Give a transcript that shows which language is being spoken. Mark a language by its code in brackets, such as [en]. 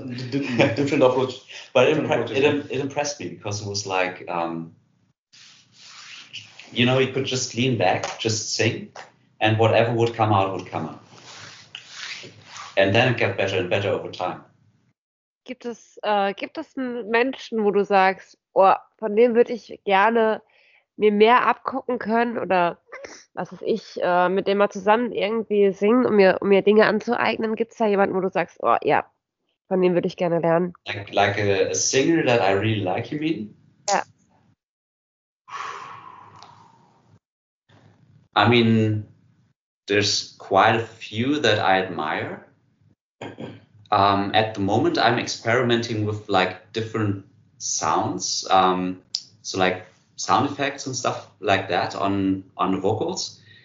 [en] different approach. But it impressed me because it was like... you know, he could just lean back, just sing, and whatever would come out would come out. And then it got better and better over time. [de] Gibt es einen Menschen, wo du sagst, oh, von dem würde ich gerne mir mehr abgucken können oder was weiß ich, mit dem mal zusammen irgendwie singen, um mir Dinge anzueignen? Gibt es da jemanden, wo du sagst, oh ja, von dem würde ich gerne lernen? [en] Like a singer that I really like, you mean? I mean, there's quite a few that I admire. At the moment, I'm experimenting with like different sounds, so like sound effects and stuff like that on the vocals.